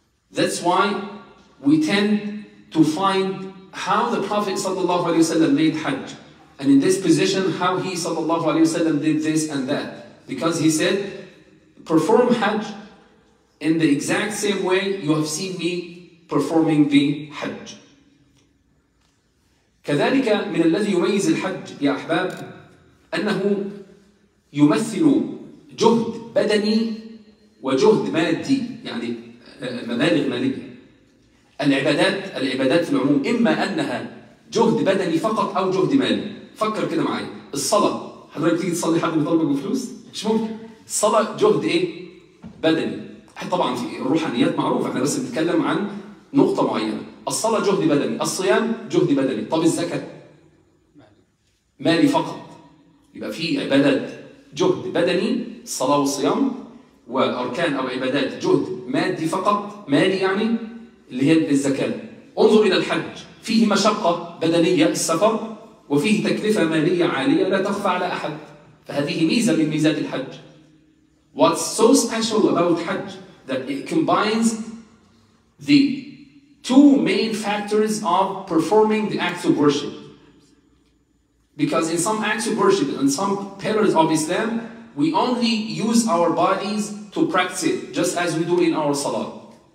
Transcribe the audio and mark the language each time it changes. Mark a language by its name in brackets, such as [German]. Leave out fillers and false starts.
[English] That's why we tend to find how the Prophet sallallahu alaihi wasallam made Hajj, and in this position, how he sallallahu alaihi wasallam did this and that. Because he said, perform Hajj in the exact same way you have seen me performing the Hajj. [Arabic] كذلك من الذي يميز الحج يا أحباب أنه يمثل جهد بدني وجهد مادي يعني مبالغ مالية. العبادات في العموم إما أنها جهد بدني فقط أو جهد مالي. فكر كده معي الصلاة, هل رأيك تيجي تصلي حد ويطلبك بفلوس؟ مش ممكن. الصلاة جهد إيه؟ بدني. طبعا في الروحانيات معروفة, احنا بس نتكلم عن نقطة معينة. الصلاة جهد بدني, الصيام جهد بدني. طب الزكاة مالي فقط. يبقى في عبادات جهد بدني, الصلاة والصيام, وأركان أو عبادات جهد مادي فقط, مالي يعني, اللي هي الزكاة. انظر إلى الحج, فيه مشقة بدنية السفر وفيه تكلفة مالية عالية لا تخفى على أحد. فهذه ميزة من ميزات الحج. [English] What's so special about Hajj that it combines the two main factors of performing the acts of worship? Because in some acts of worship and some pillars of Islam, we only use our bodies to practice it, just as we do in our salah.